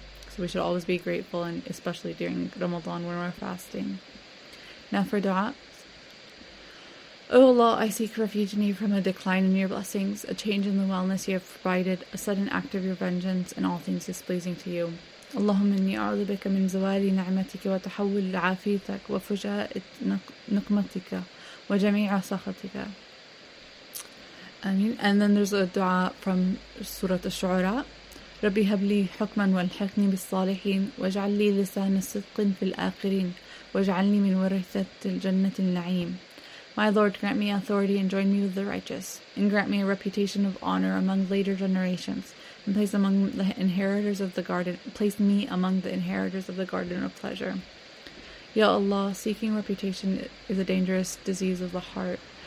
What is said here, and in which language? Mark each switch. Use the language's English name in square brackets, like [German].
[English] So we should always be grateful, and especially during Ramadan when we're fasting. Now for dua. O Allah, I seek refuge in You from a decline in Your blessings, a change in the wellness You have provided, a sudden act of Your vengeance, and all things displeasing to You. [Arabic] اللهم إني أعوذ بك من زوال نعمتك وتحول عافيتك وفجأة نقمتك وجميع سخطك. [English] آمين. And then there's a dua from Surah Ash-Shu'ara. [Arabic] ربي هب لي حكما والحقني بالصالحين واجعل لي لسان صدق في الآخرين واجعلني من ورثة الجنة النعيم. [English] My Lord, grant me authority and join me with the righteous, and grant me a reputation of honor among later generations, and place among the inheritors of the garden. Place me among the inheritors of the garden of pleasure. Ya Allah, seeking reputation is a dangerous disease of the heart.